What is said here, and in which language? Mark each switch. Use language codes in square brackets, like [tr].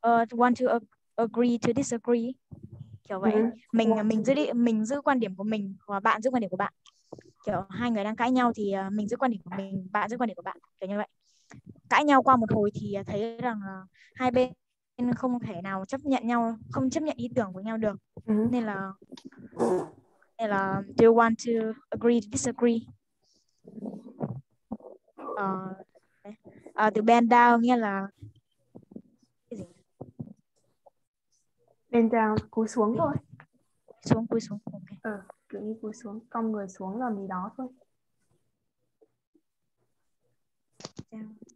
[en] Want to agree to disagree. [vi] Kiểu vậy. [en] Yeah. [vi] Mình giữ quan điểm của mình và bạn giữ quan điểm của bạn. Kiểu hai người đang cãi nhau thì mình giữ quan điểm của mình, bạn giữ quan điểm của bạn, kiểu như vậy. Cãi nhau qua một hồi thì thấy rằng hai bên nên không thể nào chấp nhận nhau, không chấp nhận ý tưởng của nhau được. Nên là [en] do you want to agree to disagree? [vi] Từ bend down nghĩa là cái gì? Bend down, cúi xuống thôi. Xuống, cúi xuống. Okay. Ừ, cứ như cúi xuống, cong người xuống là gì đó thôi. [en] Down.